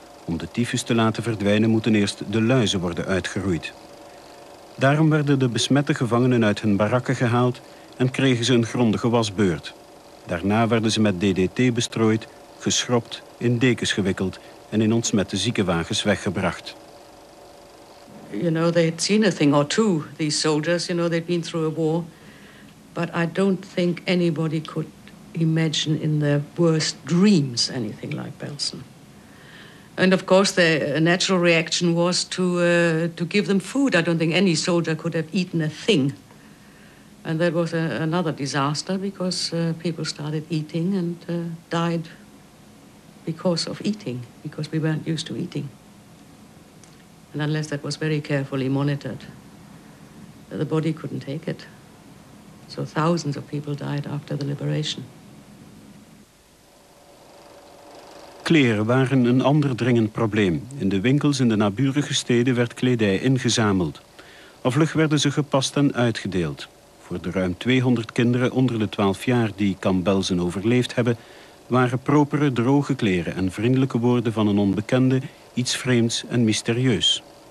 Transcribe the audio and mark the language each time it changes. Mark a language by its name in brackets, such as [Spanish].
[Dutch] Om de tyfus te laten verdwijnen moeten eerst de luizen worden uitgeroeid. Daarom werden de besmette gevangenen uit hun barakken gehaald en kregen ze een grondige wasbeurt. Daarna werden ze met DDT bestrooid, geschropt, in dekens gewikkeld en in ontsmette ziekenwagens weggebracht. [English] You know, they had seen a thing or two, these soldiers. You know, they'd been through a war. But I don't think anybody could imagine in their worst dreams anything like Belsen. And of course, their natural reaction was to give them food. I don't think any soldier could have eaten a thing. And that was another disaster because people started eating and died because of eating, because we weren't used to eating. And unless that was very carefully monitored, the body couldn't take it. So thousands of people died after the liberation. [Dutch] Kleren waren een ander dringend probleem. In de winkels in de naburige steden werd kledij ingezameld. Al vlug werden ze gepast en uitgedeeld. Voor de ruim 200 kinderen onder de 12 jaar die Kamp Belsen overleefd hebben, waren propere, droge kleren en vriendelijke woorden van een onbekende iets vreemds en mysterieus.